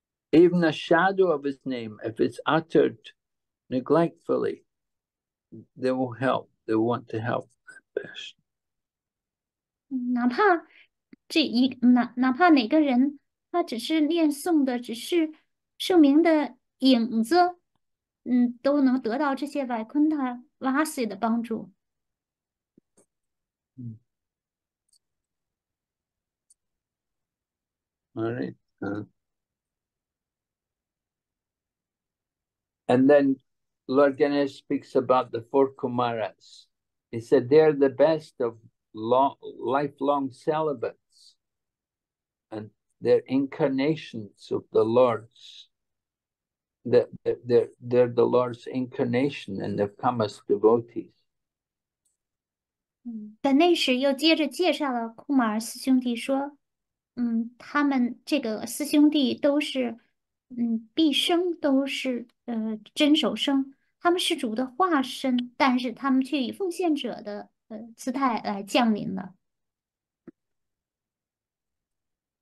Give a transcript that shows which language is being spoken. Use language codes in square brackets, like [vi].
[en] Even a shadow of his name, if it's uttered neglectfully, they will help. They want to help that person. [zh] 哪怕哪个人，他只是念诵的只是圣名的影子。都能得到这些 Vaikuntha Vasi 的帮助。 [en] All right. And then Lord Ganesh speaks about the four Kumaras. He said they are the best of lifelong celibates, and they're incarnations of the Lord's. They're the Lord's incarnation, and they've come as devotees. [zh] 在那时，又接着介绍了库马尔四兄弟，说：“他们这个四兄弟都是，毕生都是真守生，他们是主的化身，但是他们却以奉献者的姿态来降临了。”